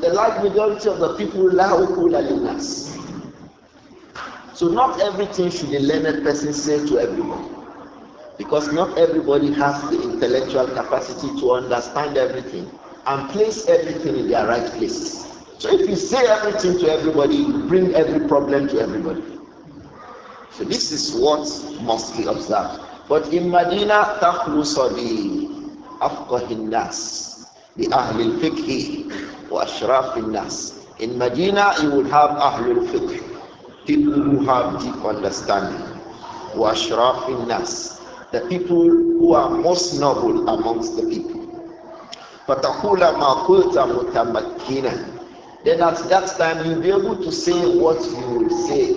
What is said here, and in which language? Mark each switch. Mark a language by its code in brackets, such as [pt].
[en] The large majority of the people lahu kulalinas. So not everything should a learned person say to everyone, because not everybody has the intellectual capacity to understand everything and place everything in their right place. So if you say everything to everybody, you bring every problem to everybody. So this is what must be observed. But in Medina, [ar] تَخْلُصَ بِأَفْقَهِ النَّاسِ بِأَهْلِ الْفِقْهِ وَأَشْرَافِ النَّاسِ. [en] In Medina, you will have [ar] أَهْلُ الْفِقْهِ, [en] people who have deep understanding, [ar] وَأَشْرَافِ النَّاسِ, [en] the people who are most noble amongst the people. [ar] فَتَقُولَ مَا قُلْتَ مُتَمَكِّنًا. [en] Then at that time, you'll be able to say what you will say.